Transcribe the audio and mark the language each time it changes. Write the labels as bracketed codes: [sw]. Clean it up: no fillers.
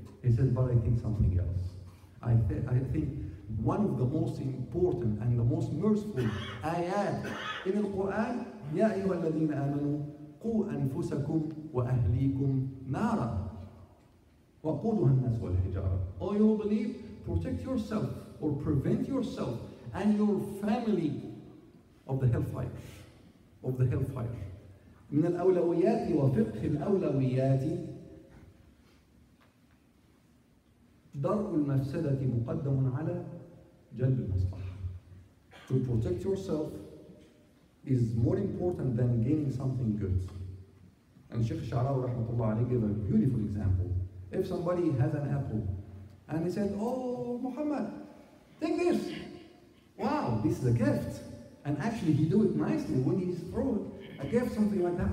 [en] He says, but I think something else. I think one of the most important and the most merciful ayat in the Quran, [ar] يَا أَيُّهَا الَّذِينَ آمَنُوا قُوا أَنفُسَكُمْ وَأَهْلِيكُمْ نَارًا وَقُودُهَا النَّاسُ وَالْحِجَارَةُ. [en] Oh, you believe, protect yourself or prevent yourself and your family of the hellfire. Of the hellfire. [ar] من الأولويات وفقه الأولويات درء المفسدة مقدم على جلب المصلحة. [en] To protect yourself is more important than gaining something good. And Sheikh Sha'rawi rahmatullah alayhi gave a beautiful example. If somebody has an apple and he said, oh, Muhammad, take this. Wow, this is a gift. And actually he do it nicely when he's brought a gift, something like that.